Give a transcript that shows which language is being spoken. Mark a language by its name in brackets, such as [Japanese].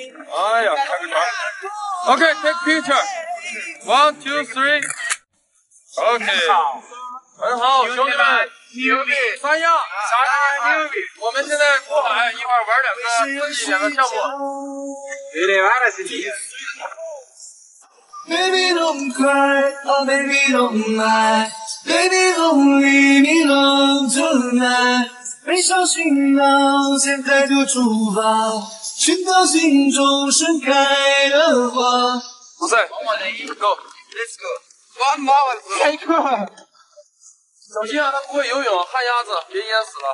[Chinese] 哎呀，开个船。 [English] OK， take picture， one， two， three。 OK， [Chinese] 很好，兄弟们，牛逼！三亚，三亚牛逼！我们现在过海，一会儿玩两个，自己两个项目。对的，完了，兄弟。 [English] Baby don't cry, oh baby don't lie, baby don't leave me alone tonight. [Chinese] 背上行囊，现在就出发，寻找心中盛开的花。不在。 [English] One more day, go, let's go. One more day, let's go. [Chinese] 小心啊，他不会游泳，旱鸭子，别淹死了。